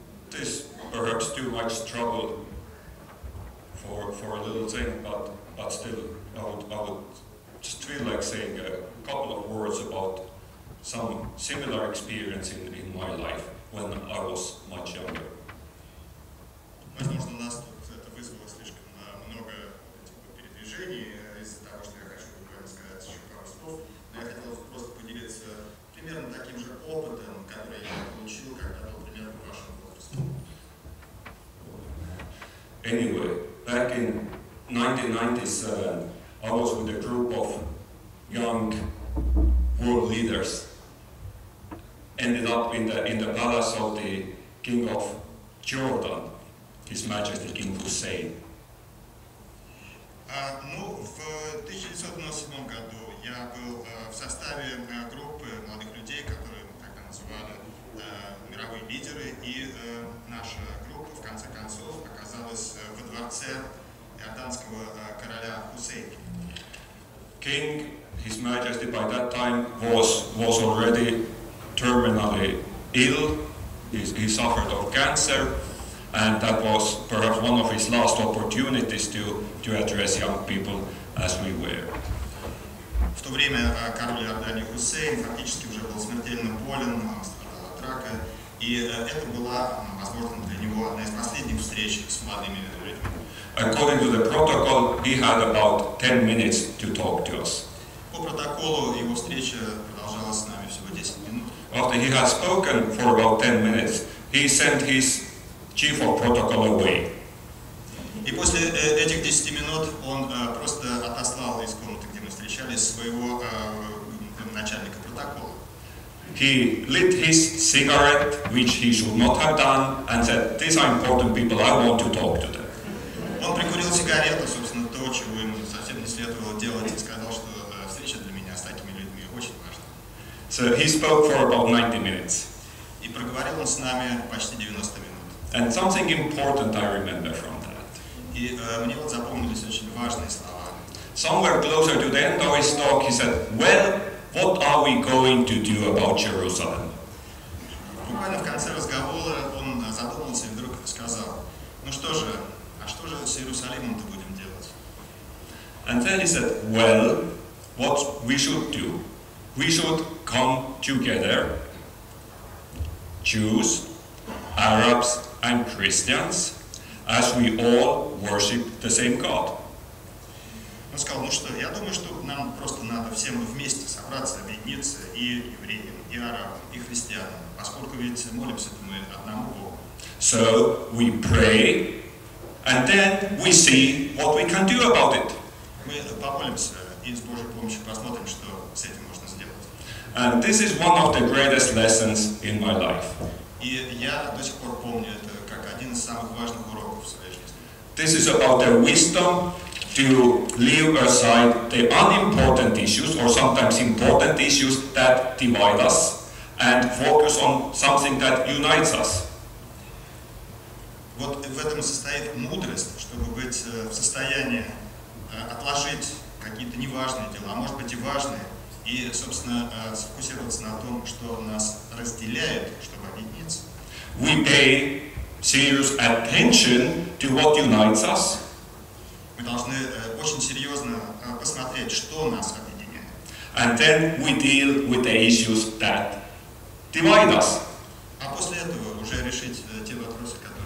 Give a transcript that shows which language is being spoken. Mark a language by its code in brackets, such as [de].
[en] this perhaps too much trouble for a little thing, but still, I would just feel like saying a couple of words about some similar experience in my life when I was much younger. [ru] Возможно, нас тут это вызвало слишком много передвижений из-за того, что я хочу буквально сказать еще пару слов, но я хотел просто поделиться примерно таким же опытом, который я получил когда-то, например, в вашем возрасте. [en] Anyway, back in 1997, I was with a group of young world leaders. Ended up in the palace of the King of Jordan, His Majesty King Hussein. [ru] Ну, в 1997 году я был в составе группы молодых людей, которые мы тогда называли мировые лидеры, и наша группа, в конце концов, оказалась во дворце иорданского короля Хусейна. [en] King, His Majesty, by that time was already terminally ill. He suffered of cancer, and that was perhaps one of his last opportunities to address young people as we were. [ru] В то время король Иордании Хусейн фактически уже был смертельно болен, страдал от рака, и это была, возможно, для него одна из последних встреч с молодыми людьми. [en] According to the protocol, he had about 10 minutes to talk to us. [ru] По протоколу его встреча продолжалась с нами всего 10 минут. [en] After he had spoken for about 10 minutes, he sent his chief of protocol away. [ru] И после этих 10 минут он просто отослал из комнаты, где мы встречались, своего начальника протокола. [en] He lit his cigarette, which he should not have done, and said, "These are important people, I want to talk to them." [ru] Он прикурил сигарету, собственно, то, чего ему совсем не следовало делать, и сказал, что встреча для меня с такими людьми очень важна. [en] So he spoke for about 90 minutes. [ru] И проговорил он с нами почти 90 минут. [en] And something important I remember from that. [ru] И мне вот запомнились очень важные слова. [en] Somewhere closer to the end of his talk, he said, "Well, what are we going to do about Jerusalem?" [ru] Буквально в конце разговора он задумался и вдруг сказал, "Ну что же, что же с Иерусалимом-то будем делать?" [en] And then he said, "Well, what we should do? We should come together, Jews, Arabs, and Christians, as we all worship the same God." [ru] Он сказал, ну что, я думаю, что нам просто надо всем вместе собраться, объединиться и евреям, и арабам, и христианам, поскольку ведь молимся-то мы одному Богу. [en] So we pray, and then we see what we can do about it. [ru] Мы помолимся и с Божьей помощью посмотрим, что с этим можно сделать. [en] And this is one of the greatest lessons in my life. [ru] И я до сих пор помню это как один из самых важных уроков в своей жизни. [en] This is about the wisdom to leave aside the unimportant issues or sometimes important issues that divide us and focus on something that unites us. [ru] Вот в этом состоит мудрость, чтобы быть в состоянии отложить какие-то неважные дела, а может быть и важные, и, собственно, сфокусироваться на том, что нас разделяет, чтобы объединиться. [en] We pay serious attention to what unites us. [ru] Мы должны очень серьезно посмотреть, что нас объединяет. [en] And then we deal with the issues that divide us. [ru] А после этого уже решить те вопросы,